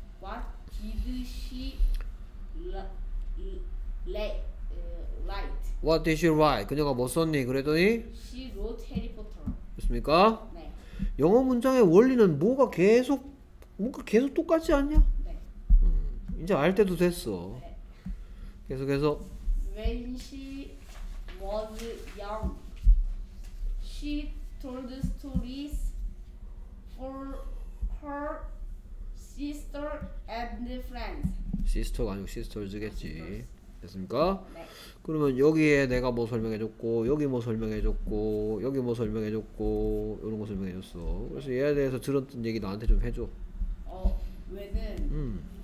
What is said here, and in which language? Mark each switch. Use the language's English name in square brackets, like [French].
[English] What did she write? What did she write? [Korean] 그녀가 뭐 썼니? 그랬더니? [English] She wrote Harry Potter. [Korean] 됐습니까? 영어 문장의 원리는 뭐가 계속 뭔가 계속 똑같지 않냐? 이제 알 때도 됐어. 계속해서 [English] When she was young, she told stories for her sister and friends. [Korean] sister가 아니고 sisters겠지. [English] Sisters. [Korean] 됐습니까? 네. 그러면 여기에 내가 뭐 설명해줬고 여기 뭐 설명해줬고 여기 뭐 설명해줬고 이런 거 설명해줬어. 그래서 얘에 대해서 들었던 얘기 나한테 좀 해줘. 왜는